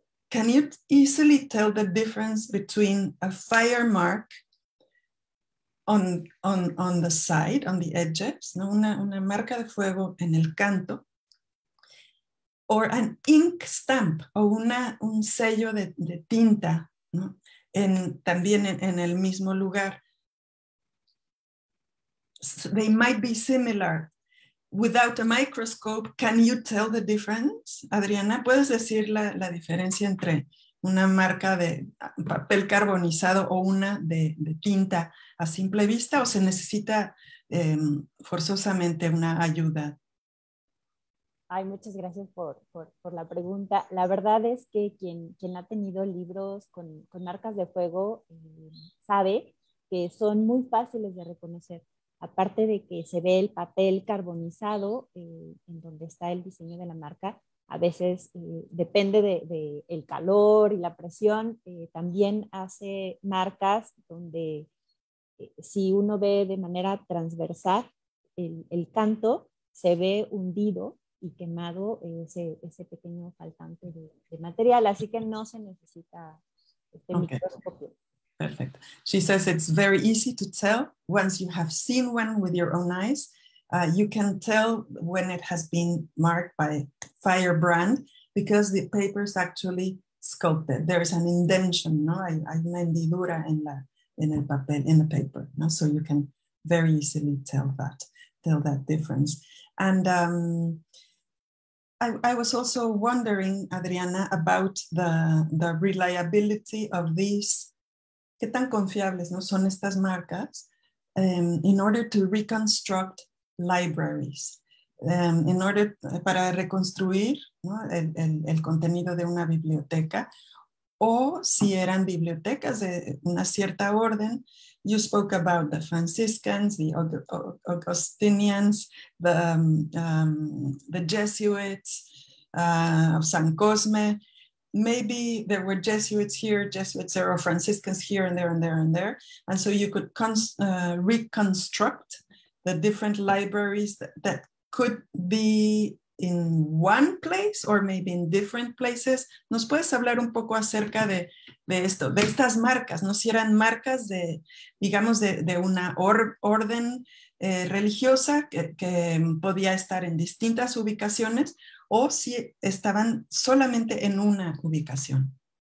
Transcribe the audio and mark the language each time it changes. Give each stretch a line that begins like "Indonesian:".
English: Can you easily tell the difference between a fire mark on the side, on the edges, ¿no?
Spanish: Una marca de fuego en el canto,
English: or an ink stamp,
Spanish: o un sello de tinta, ¿no? También en el mismo lugar.
English: So they might be similar. Without a microscope, can you tell the difference?
Spanish: Adriana, ¿puedes decir la diferencia entre una marca de papel carbonizado o una de tinta a simple vista, o se necesita forzosamente una ayuda? Ay, muchas gracias por la pregunta. La verdad es que quien ha tenido libros con marcas de fuego sabe que son muy fáciles de reconocer. Aparte de que se ve el papel carbonizado en donde está el diseño de la marca, a veces depende de el calor y la presión, también hace marcas donde si uno ve de manera transversal el canto, se ve hundido y quemado ese pequeño faltante de material, así que no se necesita este okay. microscopio.
English: Perfect. She says it's very easy to tell once you have seen one with your own eyes. You can tell when it has been marked by firebrand because the paper is actually sculpted. There is an indention, no?
Spanish: Hay una hendidura en el papel,
English: in the paper, no? So you can very easily tell that difference. And I was also wondering, Adriana, about the reliability of these.
Spanish: ¿Qué tan confiables, no, son estas marcas
English: in order to reconstruct libraries? In order,
Spanish: para reconstruir, ¿no? el contenido de una biblioteca, o si eran bibliotecas de una cierta orden.
English: You spoke about the Franciscans, the Augustinians, the Jesuits, of San Cosme. maybe there were Jesuits here, Jesuits there, or Franciscans here and there and there and there. And so you could reconstruct the different libraries that could be in one place or maybe in different places.
Spanish: ¿Nos puedes hablar un poco acerca de esto, de estas marcas? ¿No? Si eran marcas de, digamos, de una orden religiosa que podía estar en distintas ubicaciones o si estaban solamente en una ubicación.